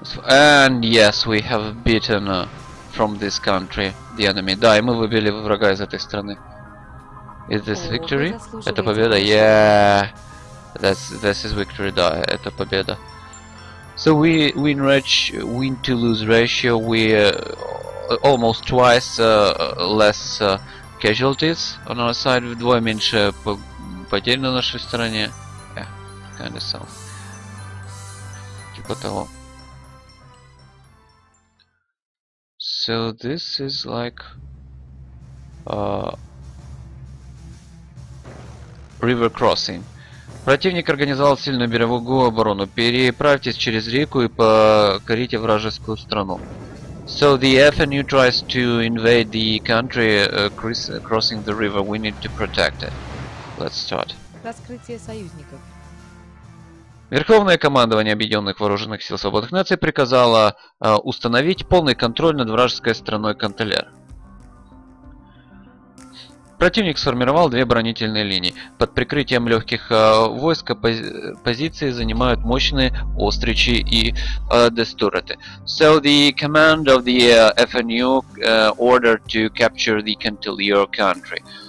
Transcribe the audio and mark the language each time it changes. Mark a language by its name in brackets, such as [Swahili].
[English] And yes, we have beaten from this country the enemy. [Russian] Да, и мы выбили врага из этой страны. [English] Is this victory? [Russian] Это победа. [English] Yeah, this is victory. [Russian] Да, это победа. [English] So we win ratio, win to lose ratio. We almost twice less casualties on our side. [Russian] Вдвое меньше потерь на нашей стороне. [English] Yeah, kind of so. [Russian] Типа того. [English] So this is like river crossing. [Russian] Противник организовал сильную береговую оборону. Переправьтесь через реку и покорите вражескую страну. [English] So the FNU tries to invade the country crossing the river. We need to protect it. Let's start. [Russian] Раскрытие союзников. Верховное командование Объединенных Вооруженных Сил Свободных Наций приказало установить полный контроль над вражеской страной Кантелер. Противник сформировал две оборонительные линии. Под прикрытием легких войск позиции занимают мощные остричи и дестураты. [English] So the command of the FNU ordered to capture the Cantelier country.